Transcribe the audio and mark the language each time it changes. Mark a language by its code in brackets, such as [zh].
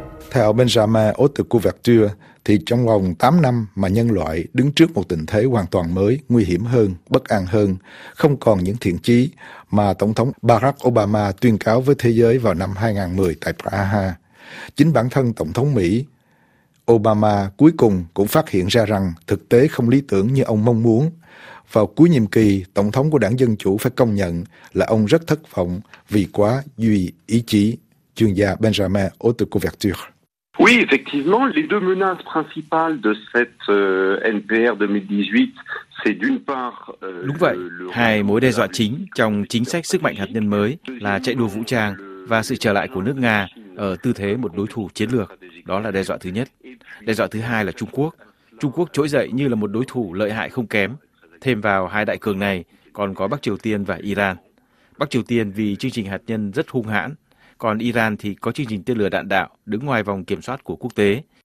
[vi] Theo Benjamin Otte-Couverture, thì trong vòng 8 năm mà nhân loại đứng trước một tình thế hoàn toàn mới, nguy hiểm hơn, bất an hơn, không còn những thiện chí mà Tổng thống Barack Obama tuyên cáo với thế giới vào năm 2010 tại Praha. Chính bản thân Tổng thống Mỹ Obama cuối cùng cũng phát hiện ra rằng thực tế không lý tưởng như ông mong muốn. Vào cuối nhiệm kỳ, Tổng thống của Đảng Dân Chủ phải công nhận là ông rất thất vọng vì quá duy ý chí. Chuyên gia Benjamin Otte-Couverture. [fr] Oui, effectivement, les deux menaces principales de cette NPR 2018, c'est d'une part. [vi] Đúng vậy, hai mối đe dọa chính trong chính sách sức mạnh hạt nhân mới là chạy đua vũ trang và sự trở lại của nước Nga ở tư thế một đối thủ chiến lược. Đó là đe dọa thứ nhất. Đe dọa thứ hai là Trung Quốc. Trung Quốc trỗi dậy như là một đối thủ lợi hại không kém. Thêm vào hai đại cường này còn có Bắc Triều Tiên và Iran. Bắc Triều Tiên vì chương trình hạt nhân rất hung hãn, còn Iran thì có chương trình tên lửa đạn đạo đứng ngoài vòng kiểm soát của quốc tế.